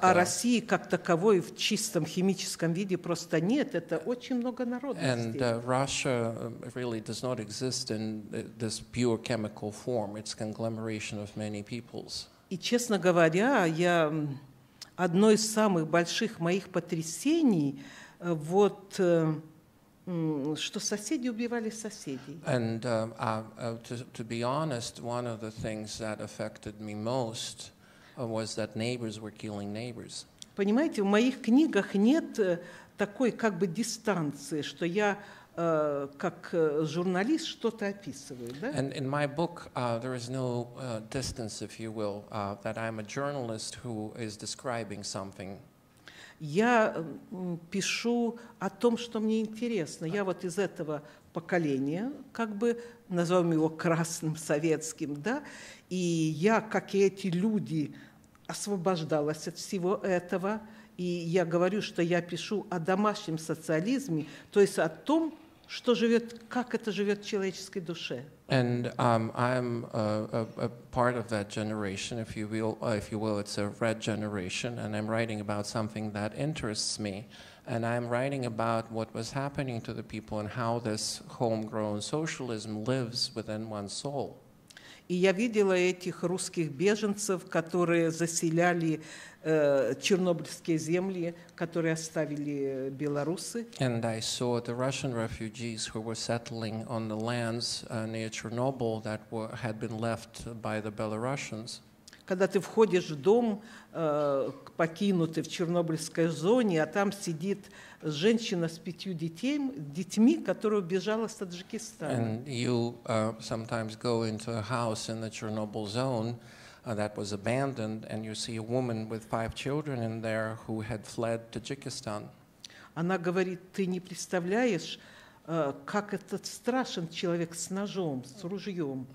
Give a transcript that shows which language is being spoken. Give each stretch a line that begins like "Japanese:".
Russian: А России как таковой в чистом химическом виде просто нет. Это очень много народов.
English: And Russia really does not exist in this pure chemical form, its conglomeration of many peoples.
Russian: И честно говоря, я одно из самых больших моих потрясений вот что соседи убивали соседей.
English: And to be honest, one of the things that affected me most was that neighbors were killing neighbors.
Russian: Понимаете, в моих книгах нет такой как бы дистанции, что я как журналист что-то описываю, да?
English: And in my book, there is no distance, if you will, that I'm a journalist who is describing something.
Russian: Я пишу о том, что мне интересно. Я вот из этого поколения, как бы, назовем его красным советским, да? И я, как и эти люди, освобождалась от всего этого. И я говорю, что я пишу о домашнем социализме, то есть о том, что живет, как это живет в человеческой душе.
English: And I'm a part of that generation, if you will, it's a red generation, and I'm writing about something that interests me, and I'm writing about what was happening to the people and how this homegrown socialism lives within one's soul.
Russian: И я видела этих русских беженцев, которые заселяли чернобыльские земли, которые оставили белорусы.
English: And I saw the Russian refugees who were settling on the lands near Chernobyl that had been left by the Belarusians.
Russian: Когда ты входишь в дом, покинутый в чернобыльской зоне, а там сидит женщина с пятью детьми, которая убежала из Таджикистана.
English: And you sometimes go into a house in the Chernobyl zone that was abandoned, and you see a woman with five children in there who had fled Tajikistan.
Russian: Она говорит, ты не представляешь, как этот страшен человек с ножом, с ружьем.